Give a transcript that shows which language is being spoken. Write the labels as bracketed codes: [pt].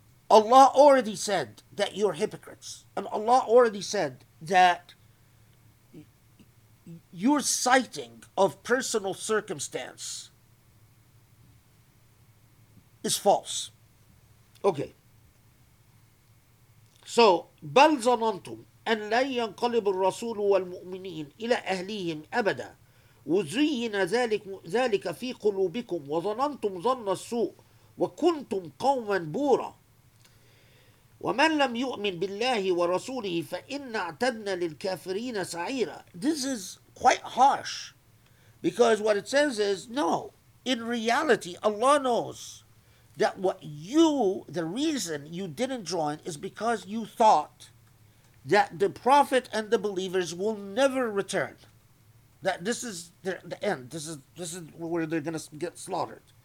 [en] Allah already said that you're hypocrites. And Allah already said that your citing of personal circumstance is false. Okay. [ar] So, بَلْ زَنَنْتُمْ أَنْ لَنْ يَنْقَلِبُ الرَّسُولُ وَالْمُؤْمِنِينَ إِلَىٰ أَهْلِهِمْ أَبَدًا وزين ذلك في قلوبكم وظننتم ظن السوء وكنتم قوما بورا ومن لم يؤمن بالله ورسوله فإن اعتدنا للكافرين سعيرا. [en] This is quite harsh, because what it says is, no, in reality Allah knows that what you, the reason you didn't join is because you thought that the Prophet and the believers will never return, that this is the end, this is where they're going to get slaughtered.